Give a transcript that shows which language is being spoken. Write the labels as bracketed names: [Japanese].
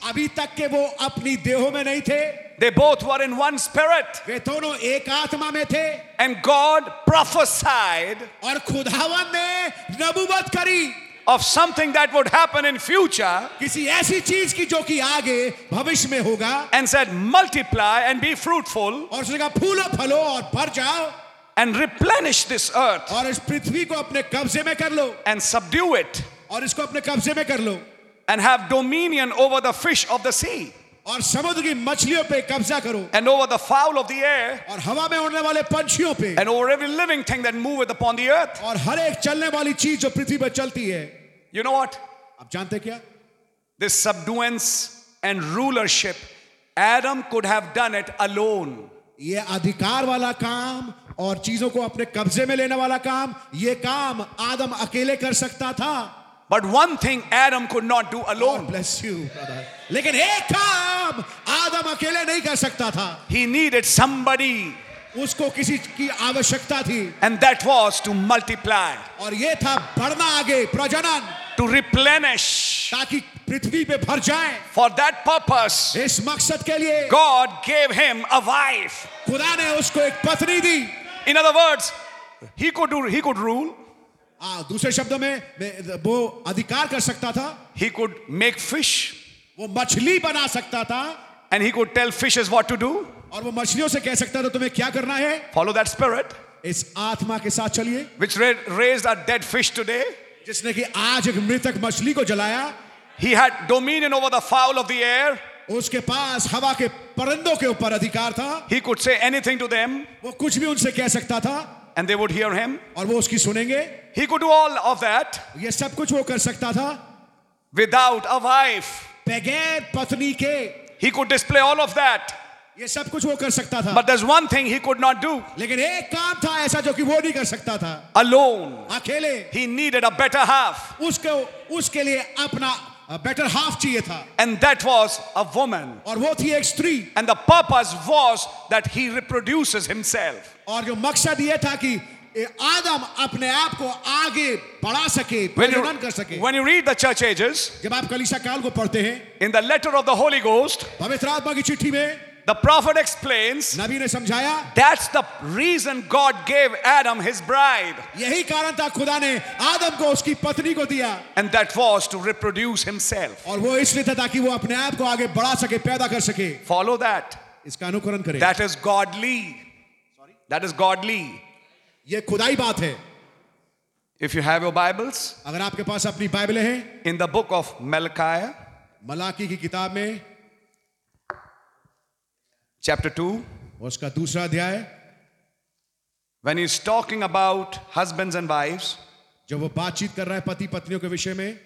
[Hindi] अभी तक के वो अपनी देहों में नहीं थे. [English] They both were in one spirit. [Hindi] वे दोनों एक आत्मा में थे. [English] And God prophesied. [Hindi] और खुदावन ने नबुवत करी. [English] Of something that would happen in future, [Hindi] किसी ऐसी चीज की जो कि आगे भविष्य में होगा, [English] and said multiply and be fruitful, [Hindi] और उसने कहा फूलो फलो और भर जाओ, [English] and replenish this earth, [Hindi] और इस पृथ्वी को अपने कब्जे में कर लो, [English] and subdue it, [Hindi] और इसको अपने कब्जे में कर लो, [English] and have dominion over the fish of the sea, [Hindi] और समुद्र की मछलियों पे कब्जा करो, [English] and over the fowl of the air, [Hindi] और हवा में उड़ने वाले पंछियों पे, [English] and over every living thing that moveth upon the earth, [Hindi] और हर एक चलने वाली चीज जो पृथ्वी पर चलती है. [English] You know what? [Hindi] आप जानते क्या? [English] This subduance and rulership, Adam could have done it alone. [Hindi] ये अधिकार वाला काम और चीजों को अपने कब्जे में लेने वाला काम, ये काम आदम अकेले कर सकता था. [English] But one thing Adam could not do alone. God bless you, brother. [Hindi] लेकिन एक काम आदम अकेले नहीं कर सकता था. [English] He needed somebody. [Hindi] उसको किसी की आवश्यकता थी. [English] And that was to multiply. [Hindi] और ये था बढ़ना आगे, प्रजनन. [English] To replenish. [Hindi] ताकि पृथ्वी पे भर जाए. [English] For that purpose. [Hindi] इस मकसद के लिए. [English] God gave him a wife. [Hindi] खुदा ने उसको एक पत्नी दी. [English] In other words, he could rule. [Hindi] दूसरे शब्दों में वो अधिकार कर सकता था. [English] He could make fish. [Hindi] वो मछली बना सकता था. [English] And he could tell fishes what to do. [Hindi] और वो मछलियों से कह सकता था तुम्हें क्या करना है. [English] Follow that spirit. [Hindi] इस आत्मा के साथ चलिए. [English] Which raised a dead fish today. [Hindi] जिसने कि आज एक मृतक मछली को जलाया. [English] He had dominion over the fowl of the air. [Hindi] उसके पास हवा के परिंदों के ऊपर अधिकार था. [English] He could say anything to them. [Hindi] वो कुछ भी उनसे कह सकता था. [English] And they would hear him. [Hindi] और वो उसकी सुनेंगे. [English] He could do all of that. [Hindi] ये सब कुछ वो कर सकता था. [English] Without a wife. [Hindi] बगैर पत्नी के. [English] He could display all of that. [Hindi] ये सब कुछ वो कर सकता था. [English] But there's one thing he could not do. [Hindi] लेकिन एक काम था ऐसा जो कि वो नहीं कर सकता था. [English] Alone. [Hindi] अकेले. [English] He needed a better half. [Hindi] उसको उसके लिए अपना [English] a better half [Hindi] चाहिए था. [English] And that was a woman. [Hindi] और वो थी एक स्त्री. [English] And the purpose was that he reproduces himself. [Hindi] और जो मकसद ये था कि आदम अपने आप को आगे बढ़ा सके, प्रजनन कर सके. [English] When you read the church ages, [Hindi] जब आप कलीसिया काल को पढ़ते हैं, [English] in the letter of the Holy Ghost, [Hindi] पवित्र आत्मा की चिट्ठी में, [English] the prophet explains, [Hindi] नबी ने समझाया, [English] that's the reason God gave Adam his bride. [Hindi] यही कारण था खुदा ने आदम को उसकी पत्नी को दिया. [English] And that was to reproduce himself. [Hindi] और वो इसलिए था ताकि वो अपने आप को आगे बढ़ा सके, पैदा कर सके. [English] Follow that. [Hindi] इसका अनुकरण करें. [English] That is godly. That is godly. [Hindi] ये खुदाई बात है. [English] If you have your Bibles, [Hindi] अगर आपके पास अपनी बाइबल है, [English] in the book of Malachi, [Hindi] Malachi की किताब में, [English] chapter 2, [Hindi] उसका दूसरा अध्याय, [English] when he's talking about husbands and wives, [Hindi] जब वो बातचीत कर रहा है पति पत्नियों के विषय में,